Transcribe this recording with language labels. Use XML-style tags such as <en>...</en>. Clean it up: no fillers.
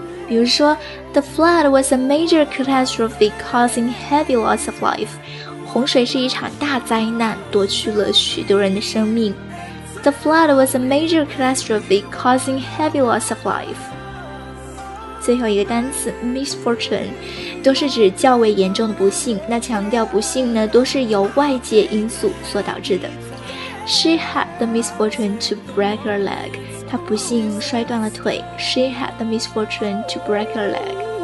<zh>比如说</zh> <en>The flood was a major catastrophe causing heavy loss of life.</en> <zh>洪水是一场大灾难，夺去了许多人的生命。</zh> <en>The flood was a major catastrophe causing heavy loss of life.</en> <zh>最后一个单词 misfortune 都是指较为严重的不幸，那强调不幸呢都是由外界因素所导致的。</zh> <en>She had the misfortune to break her leg.</en> <zh>她不幸摔断了腿。</zh> <en>She had the misfortune to break her leg.</en>